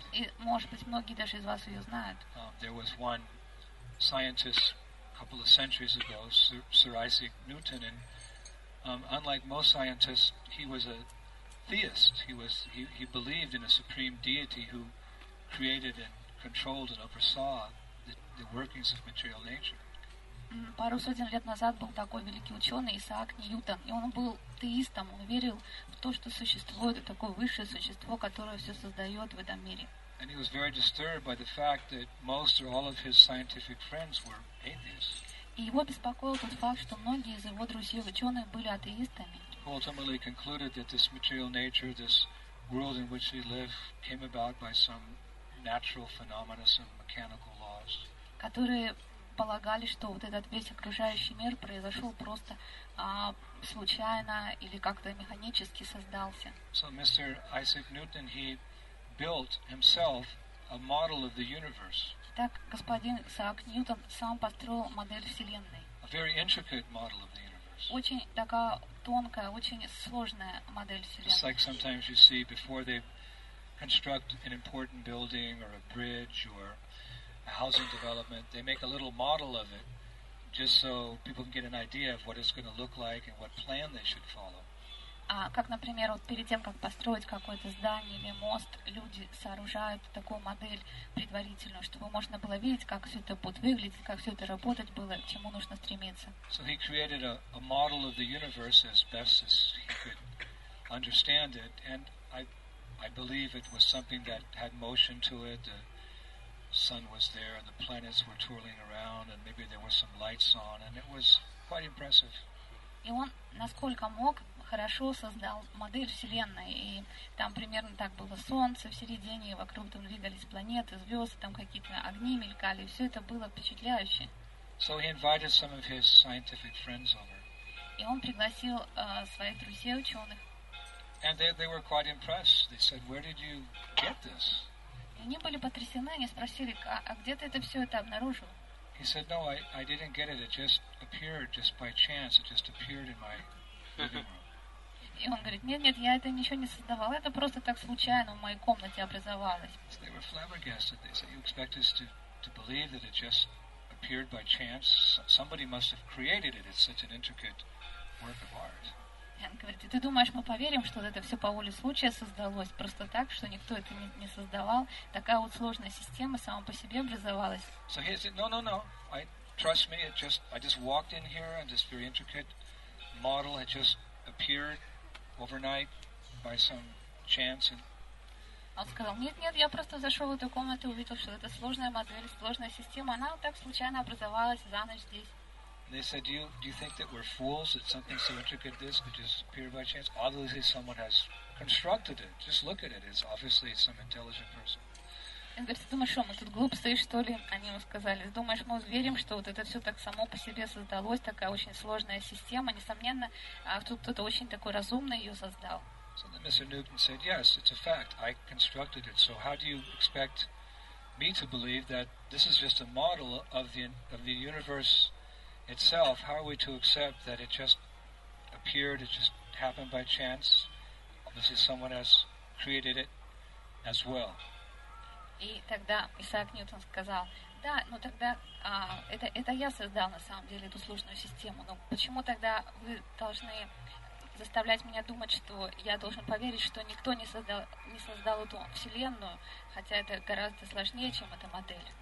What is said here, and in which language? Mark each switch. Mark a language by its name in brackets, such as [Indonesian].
[Russian] И, может быть, многие даже из вас ее знают. [English] There was one scientist a couple of centuries ago, Sir Isaac Newton, and unlike most scientists, he was a theist. He believed in a supreme deity who created and controlled and oversaw the workings of material nature. [Russian] Пару сотен лет назад был такой великий ученый Исаак Ньютон, и он был теистом. Он верил в то, что существует такое высшее существо, которое все создает в этом мире. [English] And he was very disturbed by the fact that most or all of his scientific friends were atheists. [Russian] И его беспокоил тот факт, что многие из его друзей ученых были атеистами. [English] Who ultimately concluded that this material nature, this world in which we live, came about by some natural phenomena, some mechanical laws. [Russian] Которые полагали, что вот этот весь окружающий мир произошел просто случайно или как-то механически создался. [English] So Mr. Isaac Newton, he built himself a model of the universe. [Russian] Так господин Исаак Ньютон сам построил модель Вселенной. [English] A very intricate model of the universe. [Russian] Очень такая тонкая, очень сложная модель Вселенной. [English] Just like sometimes you see before they construct an important building or a bridge or a housing development, they make a little model of it just so people can get an idea of what it's going to look like and what plan they should follow. [Russian] Как, например, вот перед тем, как построить какое-то здание или мост, люди сооружают такую модель предварительную, чтобы можно было видеть, как все это будет выглядеть, как все это работать было, к чему нужно стремиться. [English] So he created a model of the universe as best as he could understand it, and I believe it was something that had motion to it. The sun was there, and the planets were twirling around, and maybe there were some lights on, and it was quite impressive. [Russian] И он, насколько мог, хорошо создал модель Вселенной, и там примерно так было: солнце в середине, и вокруг там двигались планеты, звезды, там какие-то огни мелькали, и все это было впечатляюще. [English] So he invited some of his scientific friends over. [Russian] И он пригласил своих друзей ученых. [English] And they were quite impressed. They said, "Where did you get this?" [Russian] И они были потрясены, они спросили: "А где ты это все это обнаружил?" [English] He said, "No, I didn't get it. It just appeared just by chance. It just appeared in my [Russian] И он говорит, нет, я это ничего не создавал, это просто так случайно в моей комнате образовалось. Он говорит, и ты думаешь, мы поверим, что это все по воле случая создалось просто так, что никто это не создавал? Такая вот сложная система сама по себе образовалась. [English] So he said, no. I just walked in here, and this very intricate model had just appeared overnight by some chance. [Russian] Он сказал, нет, я просто зашел в эту комнату и увидел, что это сложная модель, сложная система, она так случайно образовалась за ночь здесь. [English] They said, do you think that we're fools that something so intricate as this could just appear by chance? Obviously, someone has constructed it. Just look at it. It's obviously some intelligent person. [Russian] Он говорит, ты думаешь, что мы тут глупцы, что ли? Они ему сказали, думаешь, мы верим, что вот это все так само по себе создалось, такая очень сложная система, несомненно, а тут кто-то очень такой разумный ее создал. [English] So then Mr. Newton said, yes, it's a fact. I constructed it. So how do you expect me to believe that this is just a model of the universe itself, how are we to accept that it just appeared, it just happened by chance? Obviously someone has created it as well. [Russian] И тогда Исаак Ньютон сказал, да, но тогда это я создал на самом деле эту сложную систему, но почему тогда вы должны заставлять меня думать, что я должен поверить, что никто не создал эту вселенную, хотя это гораздо сложнее, чем эта модель?